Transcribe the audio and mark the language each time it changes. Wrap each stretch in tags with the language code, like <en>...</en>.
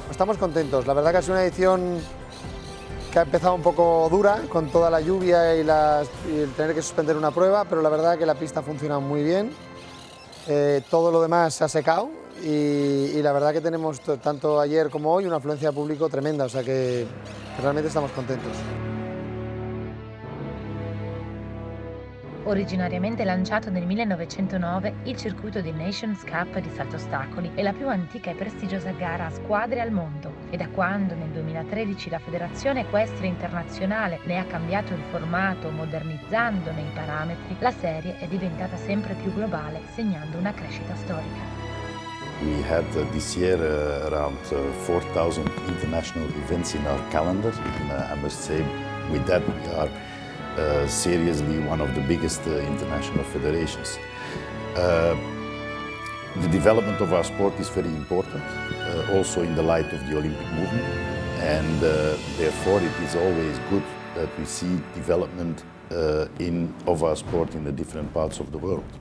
<es>Estamos contentos, la verdad que ha sido una edición que ha empezado un poco dura con toda la lluvia y el tener que suspender una prueba, pero la verdad es que la pista ha funcionado muy bien. Todo lo demás se ha secado y la verdad es que tenemos tanto ayer como hoy una afluencia de público tremenda, o sea que realmente estamos contentos.</es> <it>Originariamente lanciato nel 1909, il circuito di Nations Cup di salto ostacoli è la più antica e prestigiosa gara a squadre al mondo. E da quando nel 2013 la Federazione Equestre Internazionale ne ha cambiato il formato modernizzandone i parametri, la serie è diventata sempre più globale, segnando una crescita storica.</it> <en>We had this year around 4000 international events in our calendar. I must say with that we are seriously one of the biggest international federations. The development of our sport is very important, also in the light of the Olympic movement, and therefore it is always good that we see development of our sport in the different parts of the world.</en>